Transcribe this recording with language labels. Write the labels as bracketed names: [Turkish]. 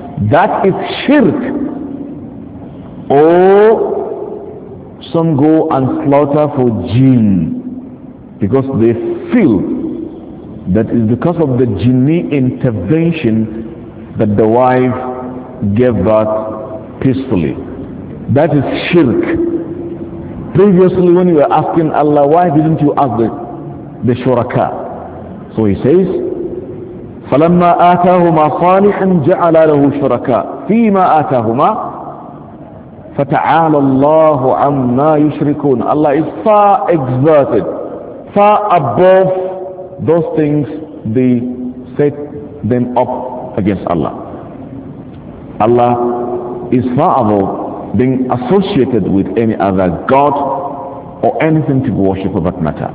[English] That is shirk. Or some go and slaughter for jinn because they feel that it's because of the genie intervention that the wife gave birth peacefully. That is shirk. Previously, when you were asking Allah, why didn't you ask the shuraka? So he says, [Arabic] فَلَمَّا آتَاهُمَا صَالِحًا جَعَلَ لَهُ شُرَكَى فِي مَا آتَاهُمَا فَتَعَالَ اللَّهُ عَمَّا يُشْرِكُونَ. [English] Allah is far exalted, far above those things they set them up against Allah. Allah is far above being associated with any other god or anything to worship for that matter.